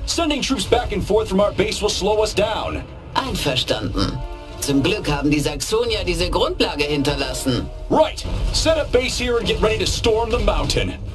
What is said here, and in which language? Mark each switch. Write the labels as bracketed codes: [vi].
[en] Sending troops back and forth from our base will slow us down. [de] Einverstanden. Zum Glück haben die Saxonier diese Grundlage hinterlassen. [en] Right! Set up base here and get ready to storm the mountain.